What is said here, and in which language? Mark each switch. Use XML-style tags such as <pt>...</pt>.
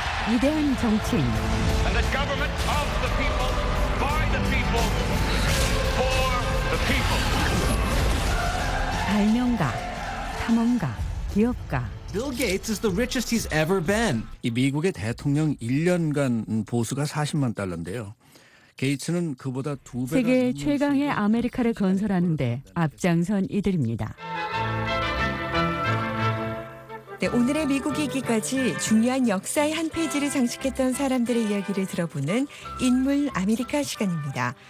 <ko>위대한 정치인, 발명가, 탐험가, 기업가.</ko> <en>Bill Gates is the richest he's ever been.</en> <ko>이 미국의 대통령 1년간 보수가 40만 달러인데요. 게이츠는 그보다 두 배. 세계 최강의 아메리카를 건설하는데 앞장선 이들입니다. 네, 오늘의 미국이기까지 중요한 역사의 한 페이지를 장식했던 사람들의 이야기를 들어보는 인물 아메리카 시간입니다.</ko>